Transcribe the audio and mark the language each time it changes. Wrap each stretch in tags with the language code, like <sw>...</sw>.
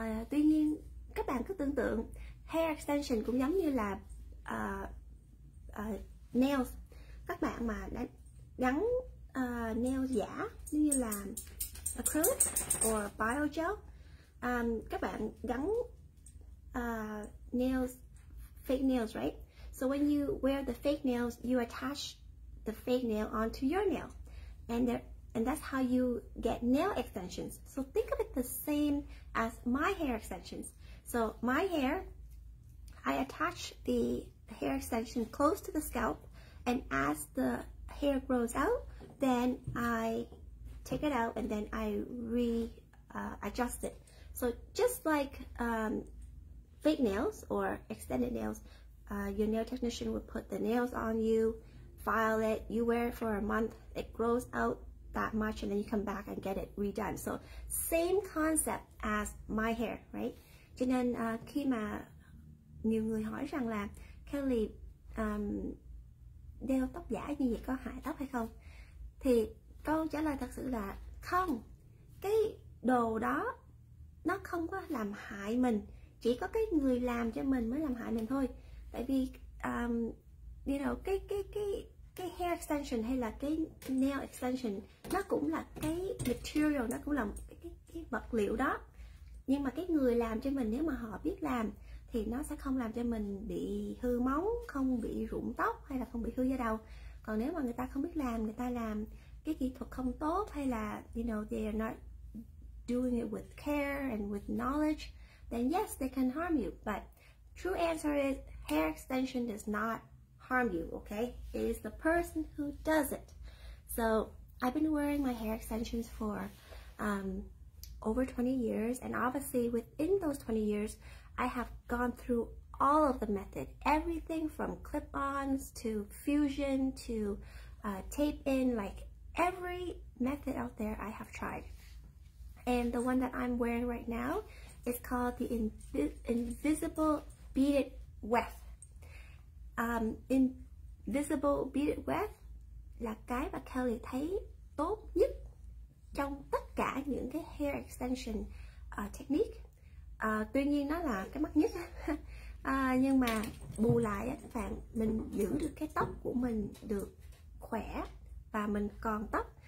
<vi>Tuy nhiên các bạn cứ tưởng tượng hair extension cũng giống như là nails. Các bạn mà đã gắn nail giả như là acrylic or bio gel, các bạn gắn nails,</vi> <en>fake nails, right? So when you wear the fake nails, you attach the fake nail onto your nail, and that's how you get nail extensions. So think of it the same as my hair extensions. So my hair, I attach the hair extension close to the scalp, and as the hair grows out, then I take it out and then I re-adjust it. So just like fake nails or extended nails, your nail technician would put the nails on you, file it, you wear it for a month, it grows out that much, and then you come back and get it redone. So same concept as my hair, right?</en> <vi>Cho nên khi mà nhiều người hỏi rằng là Kelly đeo tóc giả như vậy có hại tóc hay không, thì câu trả lời thật sự là không. Cái đồ đó nó không có làm hại mình, chỉ có cái người làm cho mình mới làm hại mình thôi. Tại vì you know, cái hair extension hay là cái nail extension nó cũng là cái material, nó cũng là cái vật liệu đó. Nhưng mà cái người làm cho mình, nếu mà họ biết làm thì nó sẽ không làm cho mình bị hư móng, không bị rụng tóc hay là không bị hư da đầu. Còn nếu mà người ta không biết làm, người ta làm cái kỹ thuật không tốt, hay là</vi> <en>you know they are not doing it with care and with knowledge, then yes, they can harm you. But true answer is hair extension does not harm you, okay? It is the person who does it. So I've been wearing my hair extensions for over 20 years, and obviously within those 20 years, I have gone through all of the method, everything from clip-ons to fusion to tape-in, like every method out there I have tried. And the one that I'm wearing right now is called the Invisible Beaded Weft.</en> <vi>Invisible Beaded Weft là cái mà Kelly thấy tốt nhất trong tất cả những cái hair extension technique. Tuy nhiên nó là cái mắc nhất. Nhưng mà bù lại các bạn, mình giữ được cái tóc của mình được khỏe và mình còn tóc.</vi>